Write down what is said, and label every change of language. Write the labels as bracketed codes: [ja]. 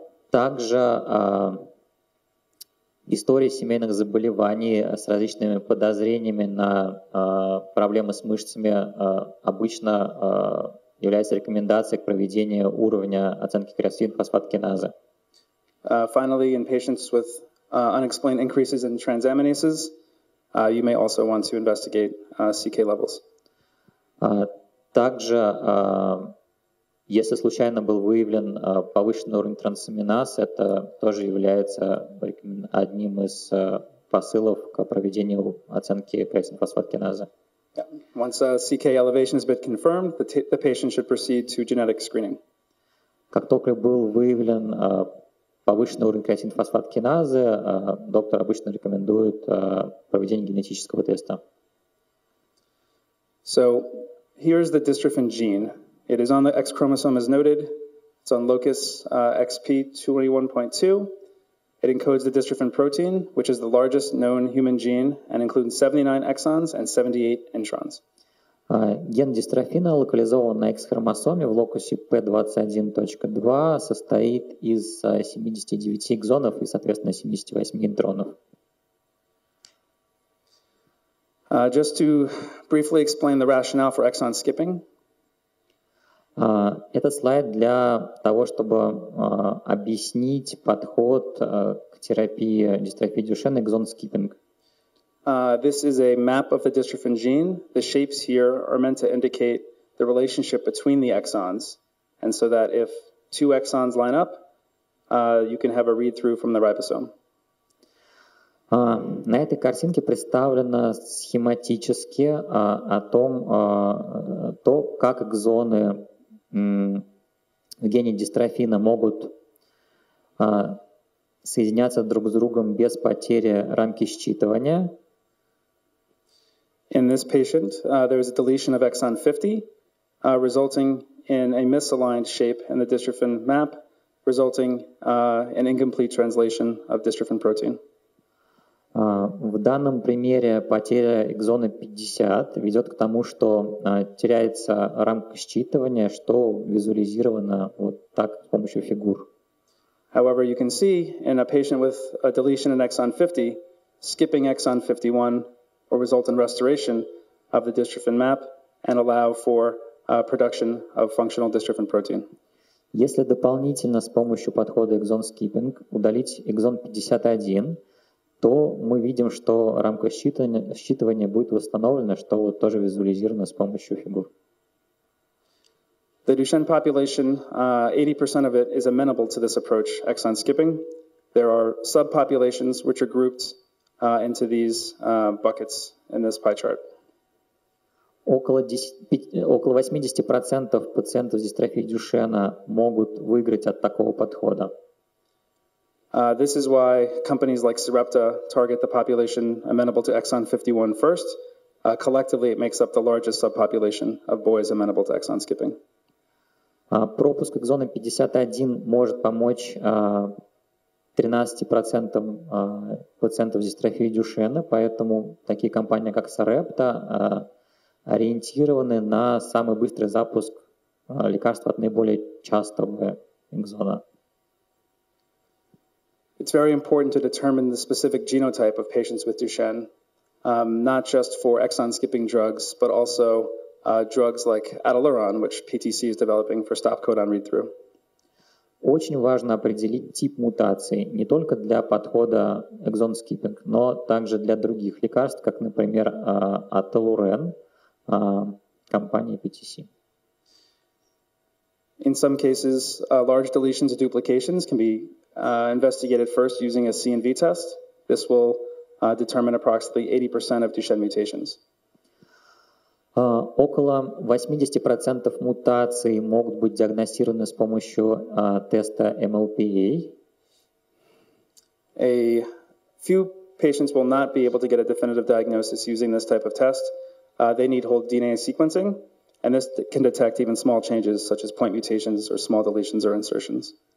[ru] Также история семейных заболеваний с различными подозрениями на проблемы с мышцами обычно является рекомендацией к проведению уровня оценки креатинфосфаткиназы. [en] Finally, in patients with unexplained increases in transaminases, you may also want to investigate CK levels. [ru] Также, если случайно был выявлен повышенный уровень трансаминаз, это тоже является одним из посылов к проведению оценки креатинин фосфаткиназы. Yeah. [en] Once a CK elevation has been confirmed, the patient should proceed to genetic screening. [ru] Как только был выявлен повышенный уровень креатинин фосфаткиназы, доктор обычно рекомендует проведение генетического теста. [en] So, here is the dystrophin gene. It is on the X chromosome as noted. It's on locus XP21.2. It encodes the dystrophin protein, which is the largest known human gene, and includes 79 exons and 78 introns. [ru] Ген дистрофина локализован на X-хромосоме в локусе P21.2, состоит из 79 экзонов и, соответственно, 78 интронов. [en] Just to briefly explain the rationale for exon skipping. [ru] Это слайд для того, чтобы объяснить подход к терапии дистрофии Дюшенна, экзон скиппинг. [en] This is a map of the dystrophin gene. The shapes here are meant to indicate the relationship between the exons, and so that if two exons line up, you can have a read-through from the ribosome. [ru] На этой картинке представлено схематически о том, то, как экзоны в гене дистрофина могут соединяться друг с другом без потери рамки считывания. [en] In this patient, there was a deletion of exon 50, resulting in a misaligned shape in the dystrophin map, resulting in incomplete translation of dystrophin protein. [ru] В данном примере потеря экзона 50 ведет к тому, что теряется рамка считывания, что визуализировано вот так с помощью фигур. [en] However, you can see in a patient with a deletion in exon 50, skipping exon 51 will result in restoration of the dystrophin map and allow for production of functional dystrophin protein. [ru] Если дополнительно с помощью подхода exon skipping удалить экзон 51, то мы видим, что рамка считывания будет восстановлена, что вот тоже визуализировано с помощью фигур. [en] The Duchenne population, 80% of it is amenable to this approach, exon skipping. There are subpopulations which are grouped into these buckets in this pie chart. [ru] Около 80% пациентов с дистрофией Дюшена могут выиграть от такого подхода. [en] This is why companies like Sarepta target the population amenable to exon 51 first. Collectively, it makes up the largest subpopulation of boys amenable to exon skipping. [ru] Пропуск экзона 51 может помочь 13% пациентов с дистрофией Дюшена, поэтому такие компании, как Sarepta, ориентированы на самый быстрый запуск лекарства от наиболее частого экзона. [en] It's very important to determine the specific genotype of patients with Duchenne, not just for exon-skipping drugs, but also drugs like Adeleron, which PTC is developing for stop codon read-through. [ru] Очень важно определить тип мутации не только для подхода exon-skipping, но также для других лекарств, как, например, Adeleron, компании PTC. [en] In some cases, large deletions or duplications can be investigated first using a CNV test. This will determine approximately 80% of Duchenne mutations. [ru] Около 80% мутаций могут быть диагностированы с помощью теста MLPA. [en] A few patients will not be able to get a definitive diagnosis using this type of test. They need whole DNA sequencing, and this can detect even small changes, such as point mutations or small deletions or insertions.